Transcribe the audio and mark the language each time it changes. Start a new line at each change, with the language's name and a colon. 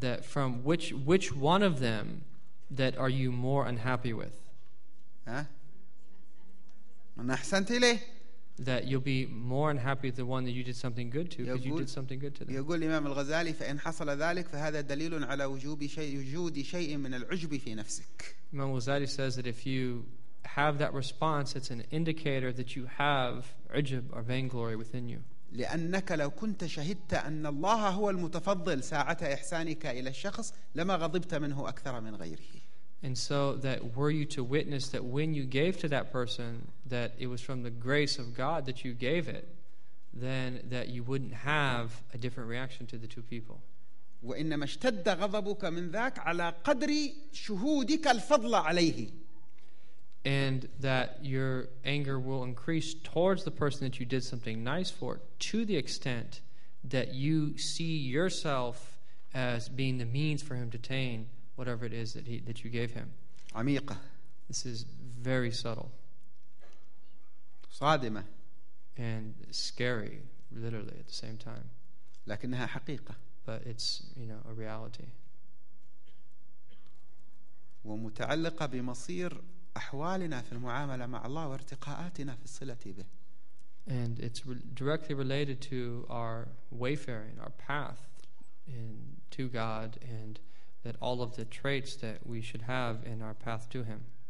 English: That from which one of them that are you more unhappy with?
Arabic: من أحسنت إليه.
English: That you'll be more unhappy than the one that you did something good to, because you did something good to them.
Arabic: يقول الإمام الغزالي فإن حصل ذلك فهذا دليل على وجود شيء من العجب في نفسك.
English: Imam Ghazali says that if you have that response, it's an indicator that you have عجب or vainglory within you.
Arabic: لأنك لو كنت شهدت أن الله هو المتفضل ساعة إحسانك إلى الشخص لما غضبت منه أكثر من غيره.
English: And so that were you to witness that when you gave to that person that it was from the grace of God that you gave it, then that you wouldn't have a different reaction to the two people.
Arabic: وإنما اشتد غضبك من ذاك على قدر شهودك الفضل عليه.
English: And that your anger will increase towards the person that you did something nice for to the extent that you see yourself as being the means for him to attain whatever it is that that you gave him.
Arabic: عميقة.
English: This is very subtle.
Arabic: صادمة.
English: And scary, literally, at the same time.
Arabic: لكنها حقيقة.
English: But it's, you know, a reality.
Arabic: ومتعلقة بمصير أحوالنا في المعاملة مع الله وارتقاءاتنا في الصلة به.
English: And it's directly related to our wayfaring, our path in to God and that all of the traits that we should have in our path to him.